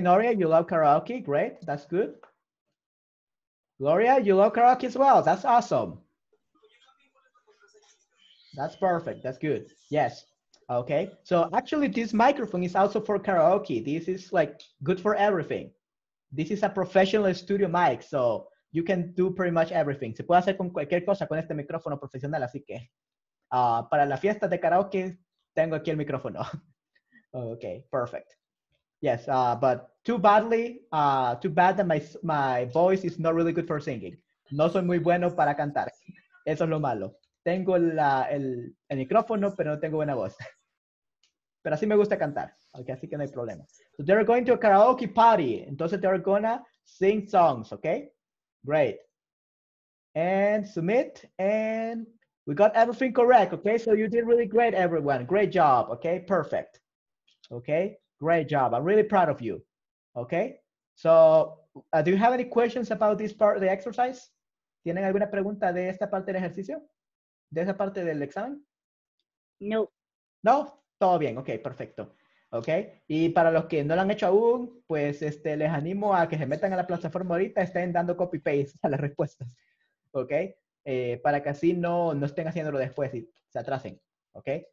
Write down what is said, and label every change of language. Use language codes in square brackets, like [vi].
[en] Noria, you love karaoke? Great. That's good. Gloria, you love karaoke as well. That's awesome. That's perfect. That's good. Yes. Okay. So actually, this microphone is also for karaoke. This is like good for everything. This is a professional studio mic, so you can do pretty much everything. [es] Se puede hacer con cualquier cosa con este micrófono profesional, así que para la fiesta de karaoke, tengo aquí el micrófono. [en] Okay. Perfect. Yes. But too bad that my voice is not really good for singing. [es] No soy muy bueno para cantar. Eso es lo malo. Tengo el micrófono, pero no tengo buena voz. Pero así me gusta cantar. Okay, así que no hay problema. [en] So they're going to a karaoke party. [es] Entonces, [en] they're gonna sing songs, okay? Great. And submit, and we got everything correct, okay? So you did really great, everyone. Great job, okay? Perfect. Okay, great job. I'm really proud of you, okay? So do you have any questions about this part of the exercise? [es] ¿Tienen alguna pregunta de esta parte del ejercicio? ¿De esa parte del examen? No. ¿No? Todo bien. Ok, perfecto. Ok. Y para los que no lo han hecho aún, pues les animo a que se metan a la plataforma ahorita. Estén dando copy-paste a las respuestas. Ok. Para que así no estén haciéndolo después y se atrasen. Ok.